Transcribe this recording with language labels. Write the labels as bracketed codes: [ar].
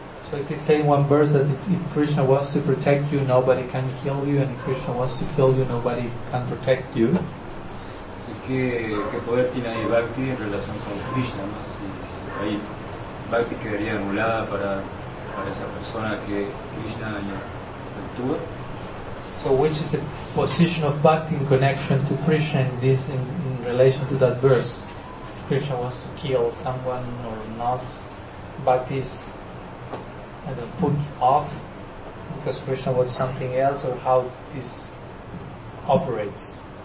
[en] So it is saying one verse that if Krishna wants to protect you, nobody can kill you, and if Krishna wants to kill you, nobody can protect you. [es] Así que, ¿qué poder tiene ahí Bhakti en relación con Krishna, ¿no? Si ahí Bhakti quedaría anulada para esa persona que Krishna ya actúa. [en] So which is the position of Bhakti in connection to Krishna in this in relation to that verse? If Krishna wants to kill someone or not, Bhakti is put off because Krishna wants something else, or how this operates?